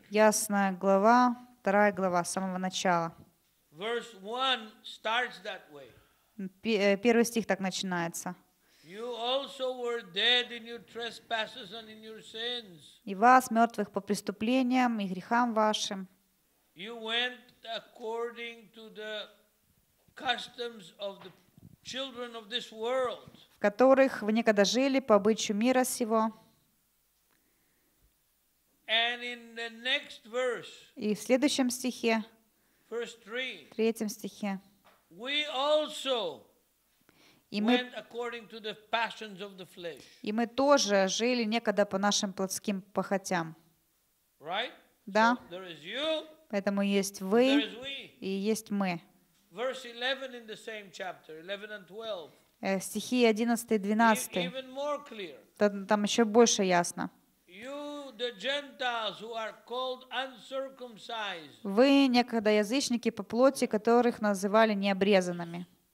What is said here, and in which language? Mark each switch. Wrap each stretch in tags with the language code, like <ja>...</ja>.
<ru>Ясная глава, вторая глава с самого начала.</ru> <en>Verse 1 starts that way.</en> <ru>Первый стих так начинается.</ru> <en>You also were dead in your trespasses and in your sins.</en> <ru>И вас, мертвых по преступлениям и грехам вашим.</ru> <en>You went according to the customs of the children of this world.</en> <ru>В которых вы некогда жили по обычаю мира сего.</ru> <en>And in the next verse.</en> <ru>И в следующем стихе.</ru> <en>Verse 3.</en> <ru>В третьем стихе.</ru> <en>We also went according to the passions of the flesh.</en> <ru>И мы тоже жили некогда по нашим плотским похотям.</ru> <en>Right?</en> <ru>Да.</ru> <en>So there is you,</en> <ru>поэтому есть вы и есть мы.</ru> <en>Verse 11 in the same chapter, 11 and 12.</en> <ru>Стихи 11 и 12.</ru> <en>Even more clear.</en> <ru>Там еще больше ясно.</ru> <en>You, the Gentiles, who are called uncircumcised.</en> <ru>Вы некогда язычники по плоти, которых называли необрезанными.</ru>